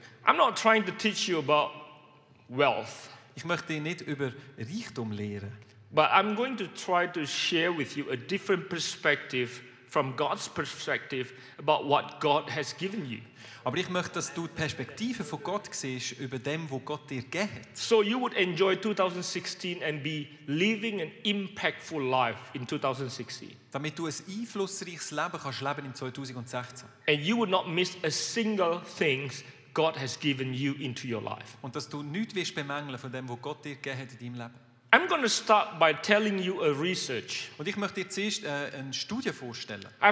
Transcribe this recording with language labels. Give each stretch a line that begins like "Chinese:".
English: I'm not trying to teach you about wealth.
German: Ich möchte dir nicht über Reichtum lehren.
English: But I'm going to try to share with you a different perspective from God's perspective about what God has given you.
German: Aber ich möchte, dass du die Perspektive von Gott siehst über dem, wo Gott dir gegeben hat.
English: So you would enjoy 2016 and be living an impactful life in 2016.
German: Damit du ein einflussreiches Leben kannst leben im 2016.
English: And you would not miss a single thing God has given you into your life.
German: Und dass du nichts wirst bemängeln von dem, wo Gott dir gegeben hat in deinem Leben.
English: I'm going to start by telling you a research.
German: Und ich möchte dir zuerst eine Studie vorstellen.